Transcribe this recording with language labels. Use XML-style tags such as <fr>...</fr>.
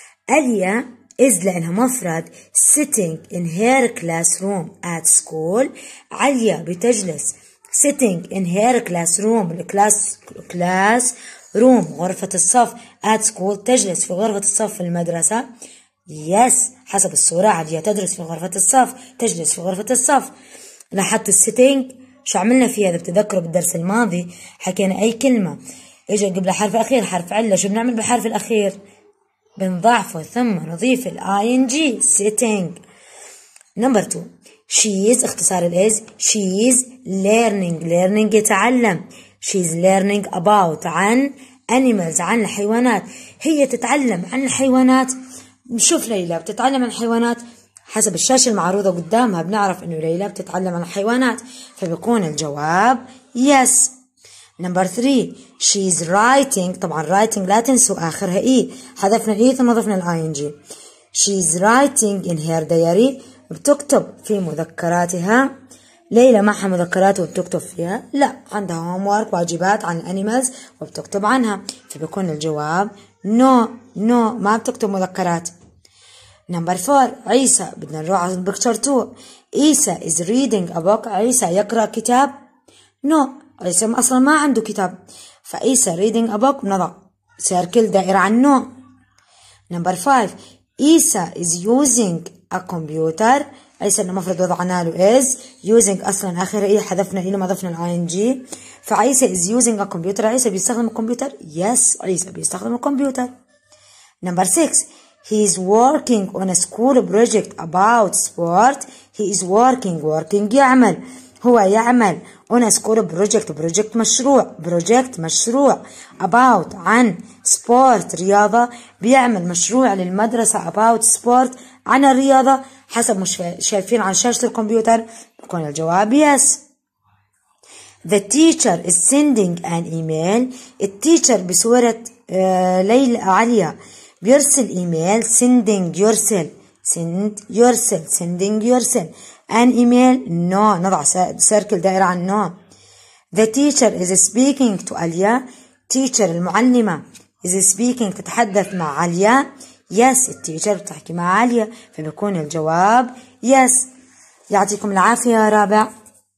<en>أليا is</en> <ar>لأنها مفرد</ar> <en>sitting in her classroom at school.</en> <ar>عليا بتجلس</ar> <en>sitting in her classroom</en> <ar>classroom غرفة الصف</ar> <en>at school</en> <ar>تجلس في غرفة الصف في المدرسة. يس حسب الصورة عليا تدرس في غرفة الصف تجلس في غرفة الصف. لاحظت السيتينج شو عملنا فيها؟ إذا بتذكروا بالدرس الماضي حكينا أي كلمة إجا قبل حرف أخير حرف علة شو بنعمل بالحرف الأخير؟ بنضعفه ثم نضيف الـ ING سيتينج. نمبر 2 شيز اختصار الـ is شيز learning. learning يتعلم. شيز learning about عن animals عن الحيوانات. هي تتعلم عن الحيوانات. نشوف ليلى بتتعلم عن الحيوانات حسب الشاشة المعروضة قدامها بنعرف انه ليلى بتتعلم عن الحيوانات فبيكون الجواب yes.</ar> <en>Number 3 she's writing.</en> <ar>طبعا writing لا تنسوا اخرها اي حذفنا اي ثم ضفنا الing.</ar> <en>she's writing in her diary</en> <ar>بتكتب في مذكراتها. ليلى معها مذكرات وبتكتب فيها؟ لا عندها homework واجبات عن animals وبتكتب عنها فبيكون الجواب no ما بتكتب مذكرات. نمبر 4 عيسى بدنا نروح على البكتشر 2.</ar> <en>عيسى is reading a book.</en> <ar>عيسى يقرأ كتاب؟ no عيسى أصلا ما عنده كتاب. فعيسى reading a book نضع سيركل دائرة عن no.</ar> <en>Number 5 عيسى is using a computer.</en> <ar>عيسى المفروض وضعنا له is using أصلا آخر إيه حذفنا إيه ما ضفنا الing.</ar> <en>فعيسى is using a computer.</en> <ar>عيسى بيستخدم الكمبيوتر؟ yes عيسى بيستخدم الكمبيوتر.</ar> <en>Number 6 he is working on a school project about sport. he is working يعمل.</en> <ar>هو يعمل</ar> <en>on a school project. project مشروع. project مشروع about عن sport رياضة.</en> <ar>بيعمل مشروع للمدرسة</ar> <en>about sport</en> <ar>عن الرياضة حسب مش شايفين عن شاشة الكمبيوتر بيكون الجواب yes.</ar> <en>The teacher is sending an email.</en> <ar>التيتشر بصورة ليلى عليا بيرسل إيميل. sending يرسل. send يرسل. sending يرسل. an email no نضع سيركل دائرة عن no.</ar> <en>The teacher is speaking to عليا.</en> <ar>teacher المعلمة</ar> <en>is speaking</en> <ar>تتحدث مع عليا. yes التيتشر بتحكي مع عليا فبيكون الجواب yes. يعطيكم العافية يا رابع.</ar>